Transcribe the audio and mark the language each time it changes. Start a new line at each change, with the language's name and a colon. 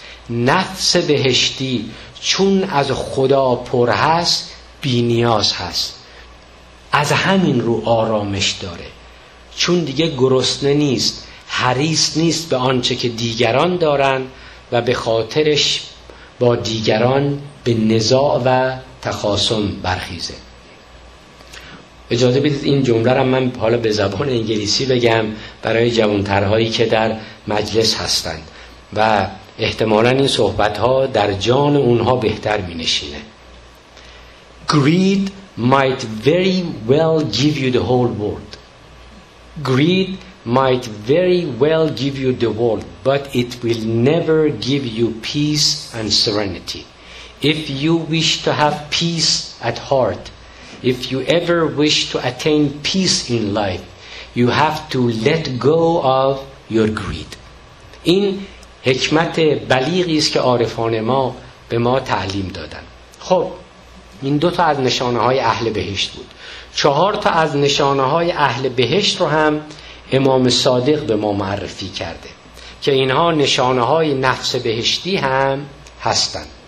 Persian: نفس بهشتی چون از خدا پر هست، بی نیاز هست، از همین رو آرامش داره، چون دیگه گرسنه نیست، حریص نیست به آنچه که دیگران دارن و به خاطرش با دیگران به نزاع و تخاصم برخیزه. اجازه بدید این جمله رو من حالا به زبان انگلیسی بگم برای جوانترهایی که در مجلس هستند و احتمالاً این صحبت ها در جان اونها بهتر می نشینه.
English: Greed might very well give you the whole world. Greed might very well give you the world, but it will never give you peace and serenity. If you wish to have peace at heart, if you ever wish to attain peace in life, you have to let go of your greed.
Persian: این حکمت بلیغی است که عارفان ما به ما تعلیم دادن. خب این دو تا از نشانه های اهل بهشت بود. چهار تا از نشانه های اهل بهشت رو هم امام صادق به ما معرفی کرده که اینها نشانه های نفس بهشتی هم هستن.